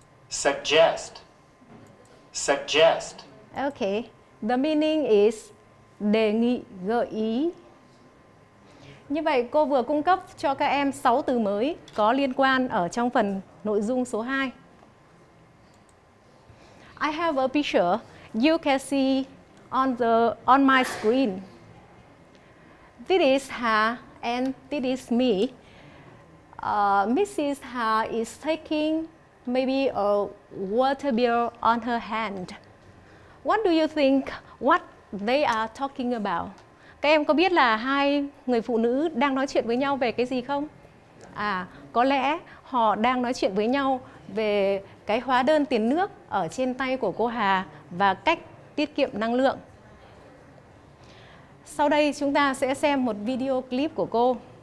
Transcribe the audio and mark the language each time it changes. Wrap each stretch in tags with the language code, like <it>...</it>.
<en>Suggest. Suggest. Okay. The meaning is đề nghị, gợi ý.</en> <vi>Như vậy cô vừa cung cấp cho các em 6 từ mới có liên quan ở trong phần nội dung số 2.</vi> <en>I have a picture you can see on my screen. This is Ha and this is me. Mrs. Ha is taking maybe a water bill on her hand. What do you think what they are talking about?</en> <vi>Các em có biết là hai người phụ nữ đang nói chuyện với nhau về cái gì không? À, có lẽ họ đang nói chuyện với nhau về cái hóa đơn tiền nước ở trên tay của cô Hà và cách tiết kiệm năng lượng. Sau đây chúng ta sẽ xem một video clip của cô.</vi>